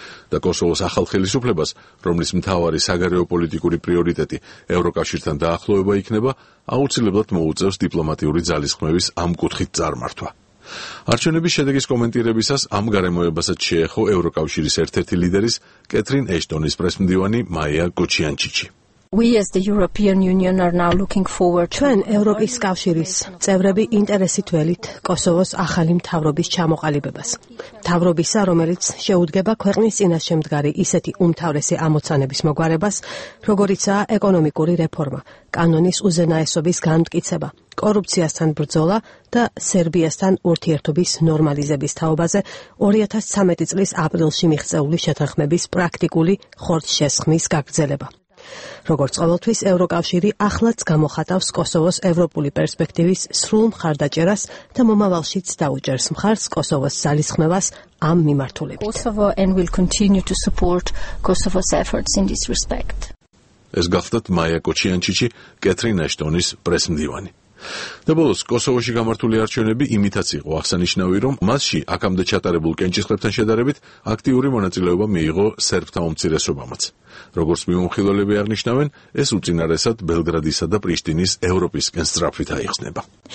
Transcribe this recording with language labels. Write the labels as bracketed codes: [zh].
[ka] და კოსოვოს ახალ ხელისუფლებას, რომლის მთავარი საგარეო პოლიტიკური პრიორიტეტი ევროკავშირთან დაახლოება იქნება, აუცილებლად მოუწევს დიპლომატიური ძალისხმევის ამ კუთხით წარმართვა. არჩევნების შედეგის კომენტირებისას ამ გარემოებასაც შეეხო ევროკავშირის ერთ-ერთი ლიდერის კეთრინ ეშტონის პრესმდივანი მაია გოჩიანჩიჩი. [en] We as the European Union are now looking forward to [ka] an ევროპის კავშირის წევრები ინტერესით ველით კოსოვოს ახალი მთავრობის ჩამოყალიბებას. მთავრობისა, რომელიც შეუდგება ქვეყნის წინაშე მდგარი ისეთი უმთავრესი ამოცანების მოგვარებას, როგორიცაა ეკონომიკური რეფორმა, კანონის უზენაესობის განმტკიცება, კორუფციასთან ბრძოლა და სერბიასთან ურთიერთობის ნორმალიზების თაობაზე 2013 წლის აპრილში მიღწეული შეთანხმების პრაქტიკული ხორცშესხმის გაგრძელება. როგორც ყოველთვის, ევროკავშირი ახლაც გამოხატავს კოსოვოს ევროპული პერსპექტივის სრულ მხარდაჭერას და მომავალშიც დაუჭერს მხარს კოსოვოს ძალისხმევას ამ მიმართულებით. [en] Kosovo and will continue to support Kosovo's efforts in this respect. [ka] ეს გახლავთ მაია კოჩიანჩიჩი, კეთრინ ეშტონის პრესმდივანი. და ბოლოს, კოსოვოში გამართული არჩევნები იმითაც იყო აღსანიშნავი, რომ მასში აქამდე ჩატარებულ კენჭისყრებთან შედარებით აქტიური მონაწილეობა მიიღო სერბთა უმცირესობამაც. როგორც მიმომხილველები აღნიშნავენ, ეს უწინარესად ბელგრადისა და პრიშტინის ევროპისკენ სწრაფით აიხსნება.